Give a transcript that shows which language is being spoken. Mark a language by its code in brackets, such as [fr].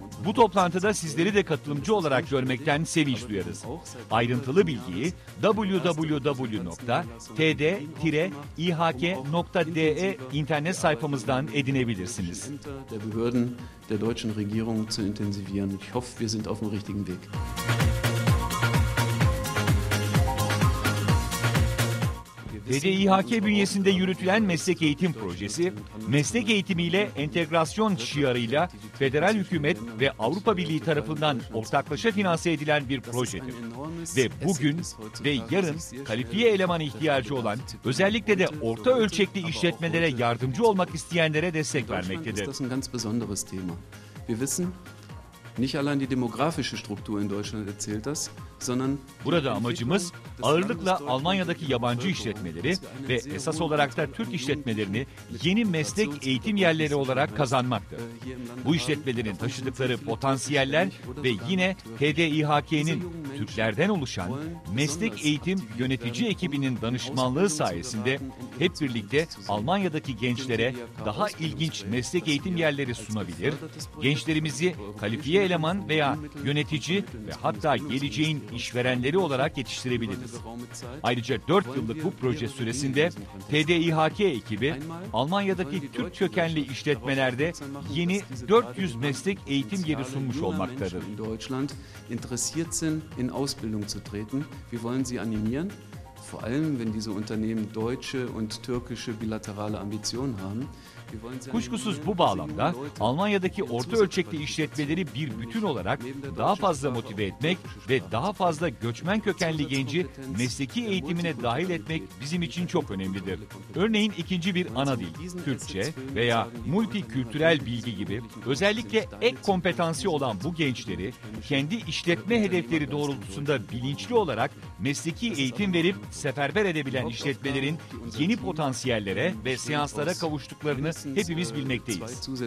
[tr] Bu toplantıda sizleri de katılımcı olarak görmekten sevinç duyarız. Ayrıntılı bilgiyi www.td-ihk.de internet sayfamızdan edinebilirsiniz. [de] Der deutschen Regierung zu intensivieren. Ich hoffe, wir sind auf dem richtigen Weg. [tr] DDİHK bünyesinde yürütülen meslek eğitim projesi, meslek eğitimiyle entegrasyon şiarıyla federal hükümet ve Avrupa Birliği tarafından ortaklaşa finanse edilen bir projedir. Ve bugün ve yarın kalifiye eleman ihtiyacı olan, özellikle de orta ölçekli işletmelere yardımcı olmak isteyenlere destek vermektedir. [de] Das ist ein ganz besonderes Thema. Wir wissen, nicht allein die demografische Struktur in Deutschland erzählt das, sondern [tr] burada amacımız ağırlıkla Almanya'daki yabancı işletmeleri ve esas olarak da Türk işletmelerini yeni meslek eğitim yerleri olarak kazanmaktır. Bu işletmelerin taşıdıkları potansiyeller ve yine TDİHK'nin Türklerden oluşan meslek eğitim yönetici ekibinin danışmanlığı sayesinde hep birlikte Almanya'daki gençlere daha ilginç meslek eğitim yerleri sunabilir, gençlerimizi kalifiye eleman veya yönetici ve hatta geleceğin işverenleri olarak yetiştirebiliriz. Ayrıca 4 yıllık bu proje süresinde TDİHK ekibi Almanya'daki Türk kökenli işletmelerde yeni 400 meslek eğitim yeri sunmuş olmaktadır. [de] Deutschland interessiert sind in Ausbildung zu treten. Wir wollen sie animieren, vor allem wenn diese Unternehmen deutsche und türkische bilaterale Ambitionen haben. [tr] Kuşkusuz bu bağlamda Almanya'daki orta ölçekli işletmeleri bir bütün olarak daha fazla motive etmek ve daha fazla göçmen kökenli genci mesleki eğitimine dahil etmek bizim için çok önemlidir. Örneğin ikinci bir ana dil, Türkçe veya multikültürel bilgi gibi özellikle ek kompetansı olan bu gençleri kendi işletme hedefleri doğrultusunda bilinçli olarak mesleki eğitim verip seferber edebilen işletmelerin yeni potansiyellere ve seanslara kavuştuklarını hepimiz bilmekteyiz.